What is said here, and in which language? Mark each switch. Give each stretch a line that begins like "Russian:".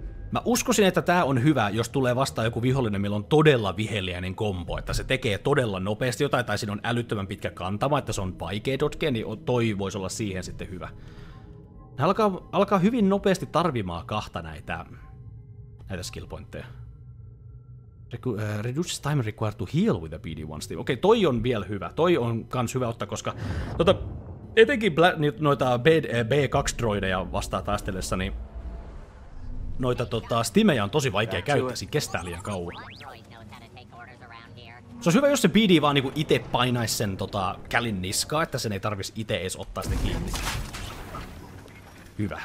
Finnish: Mä uskoisin, että tää on hyvä, jos tulee vastaan joku vihollinen, millä on todella viheliäinen kombo, että se tekee todella nopeasti jotain, tai siinä on älyttömän pitkä kantama, että se on vaikea dodgea, niin toi voisi olla siihen sitten hyvä. Ne alkaa hyvin nopeasti tarvimaan kahta näitä skill pointteja.
English: Reduces time required to heal with a BD1 Steam.
Finnish: Okei, toi on vielä hyvä. Toi on kans hyvä ottaa, koska etenkin noita B2-droideja vastaan taistellessa, niin noita Steameja on tosi vaikea käyttää. Siinä kestää liian kauan. Se on hyvä, jos se BD vaan niinku ite painaisi sen kälin niskaa, että sen ei tarvis ite edes ottaa sitä kiinni. Hyvä.